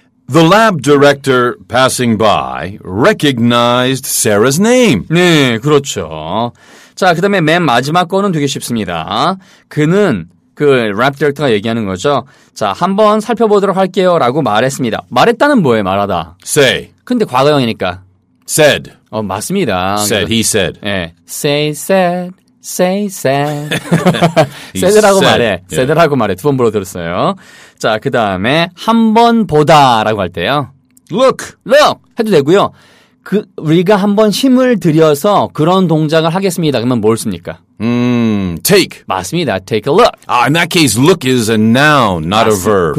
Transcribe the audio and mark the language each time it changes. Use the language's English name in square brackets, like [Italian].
[English] The lab director passing by recognized Sarah's name. [Korean] 네, 그렇죠. 자, 그다음에 맨 마지막 거는 되게 쉽습니다. 그는 그 lab director가 얘기하는 거죠. 자, 한번 살펴보도록 할게요라고 말했습니다. 말했다는 뭐예요? 말하다. [English] Say. [Korean] 근데 과거형이니까. [English] Said. [Korean] 어, 맞습니다. [English] Said. He said. [Korean] 네. Say said. Say said. said라고 말해. Yeah. said라고 말해. 두 번 불러 들었어요. 자, 그 다음에 한 번 보다라고 할 때요. [English] Look. [Korean] Look. 해도 되고요. 그 우리가 한번 힘을 들여서 그런 동작을 하겠습니다. 그러면 뭘 씁니까? [English] Take. [Korean] 맞습니다. [English] Take a look. In that case, look is a noun, not a verb.